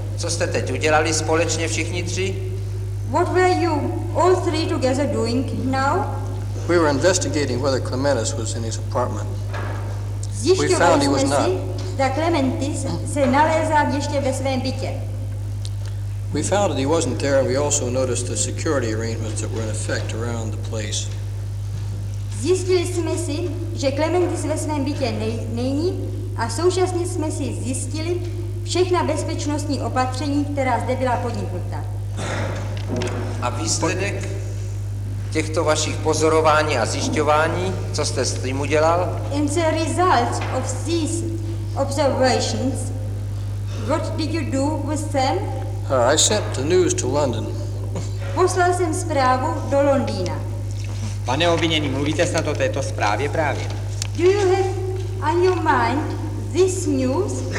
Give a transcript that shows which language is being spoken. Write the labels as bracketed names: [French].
[Czech] Co jste teď udělali společně všichni tři? [English] What were you all three together doing now? We were investigating whether Clematis was in his apartment. We found he was not. [Czech] Zjišťovali jsme si, Clematis se nalézal ještě ve svém bytě. [English] We found that he wasn't there and we also noticed the security arrangements that were in effect around the place. [Czech] Zjistili jsme si, že Clematis ve svém bytě není a současně jsme si zjistili všechna bezpečnostní opatření, která zde byla podniknuta. A výsledek těchto vašich pozorování a zjišťování, co jste s tím udělal? [English] In the results of these observations, what did you do with them? I sent the news to London. [Czech] Poslal jsem zprávu do Londýna. Pane obvinění, mluvíte snad o této zprávě právě? [English] Do you have on your mind this news?